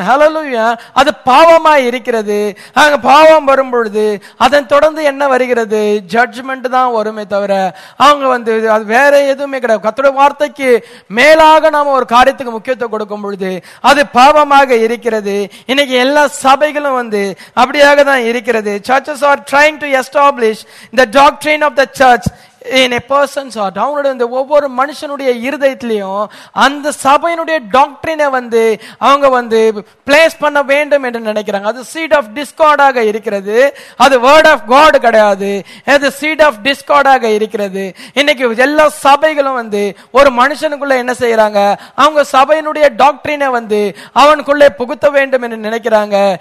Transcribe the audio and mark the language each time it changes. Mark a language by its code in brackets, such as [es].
[ta] ஹல்லேலூயா, அது பாவமாய் இருக்கிறது. அங்க பாவம் வரும் பொழுது அதன் தொடர்ந்து என்ன வருகிறது, ஜட்ஜ்மென்ட் தான் வருமே தவிர அவங்க வந்து அது வேற எதுவுமே கிடையாது. கர்த்தருடைய வார்த்தைக்கு மேலாக நாம ஒரு காரியத்துக்கு முக்கியத்துவம் கொடுக்கும் பொழுது அது பாவமாக இருக்கிறது. இன்னைக்கு எல்லா சபைகளும் வந்து அப்படியாக தான் இருக்கிறது. [en] Churches are trying to establish the doctrine of the church in a person's heart. [ta] அவங்களோட ஒவ்வொரு மனுஷனுடைய இருதயத்திலையும் அந்த சபையினுடைய டாக்டரினை வந்து அவங்க வந்து பிளேஸ் பண்ண வேண்டும் என்று நினைக்கிறாங்க. அது சீட் ஆஃப் டிஸ்கார்டாக இருக்கிறது. அது வேர்ட் ஆஃப் காட் கிடையாது, அது சீட் ஆஃப் டிஸ்கார்டாக இருக்கிறது. இன்னைக்கு எல்லா சபைகளும் வந்து ஒரு மனுஷனுக்குள்ள என்ன செய்யறாங்க, அவங்க சபையினுடைய டாக்டரினை வந்து அவனுக்குள்ளே புகுத்த வேண்டும் என்று நினைக்கிறாங்க.